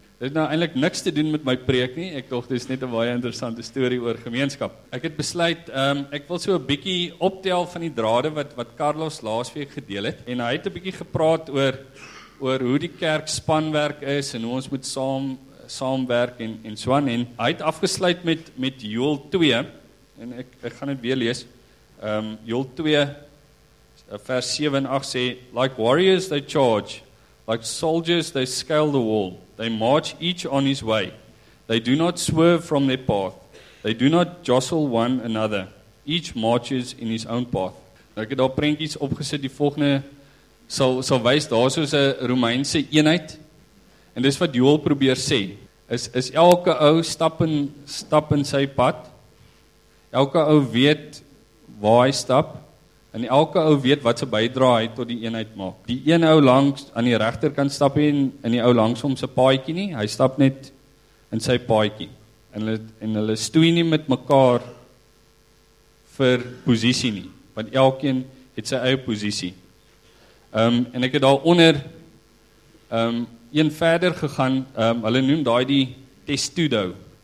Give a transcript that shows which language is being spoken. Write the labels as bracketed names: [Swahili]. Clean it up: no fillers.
[Afrikaans] Dit het nou eintlik niks te doen met my preek nie. Ek dink dit is net 'n baie interessante storie oor gemeenskap. Ek het besluit, ek wil so 'n bietjie optel van die drade wat Carlos laasweek gedeel het. En hy het 'n bietjie gepraat oor hoe die kerk spanwerk is en hoe ons moet saamwerk en so aan. En hy het afgesluit met Joel 2. En ek gaan dit weer lees. Joel 2 vers 7 en 8 sê, [English] "Like warriors they charge, like soldiers they scale the wall. They march each on his way. They do not swerve from their path. They do not jostle one another. Each marches in his own path. [Afrikaans] Nou, ek het daar prentjies opgesit, die volgende sal wys, daar soos 'n Romeinse eenheid. En dis wat Joel probeer sê, is elke ou stap in sy pad. Elke ou weet waar hy stap en elke ou weet wat sy bydrae het tot die eenheid maak. Die een ou langs aan die regterkant stap en in die ou langs hom se paadjie nie, hy stap net in sy paadjie. En hulle stoei nie met mekaar vir posisie nie, want elkeen het sy eie posisie. En ek het daaronder een verder gegaan, hulle noem daai die testudo.